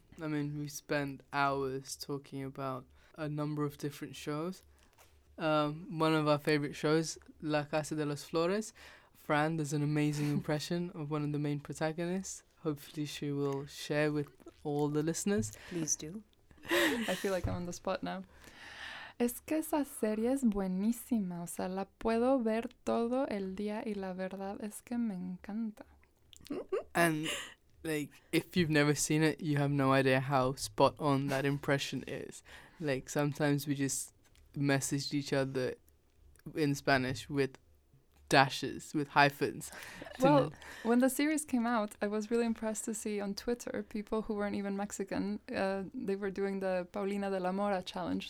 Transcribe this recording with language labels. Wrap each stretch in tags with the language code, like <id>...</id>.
<en>I mean, we spend hours talking about a number of different shows. One of our favorite shows, La Casa de las Flores. Fran does an amazing impression of one of the main protagonists. Hopefully she will share with all the listeners. Please do. I feel like I'm on the spot now.</en> <es>Es que esa serie es buenísima. O sea, la puedo ver todo el día y la verdad es que me encanta.</es> <en>And, like, if you've never seen it, you have no idea how spot on that impression is. Like, sometimes we just messaged each other in Spanish with dashes, with hyphens. Well, when the series came out, I was really impressed to see on Twitter people who weren't even Mexican, they were doing the Paulina de la Mora challenge.</en>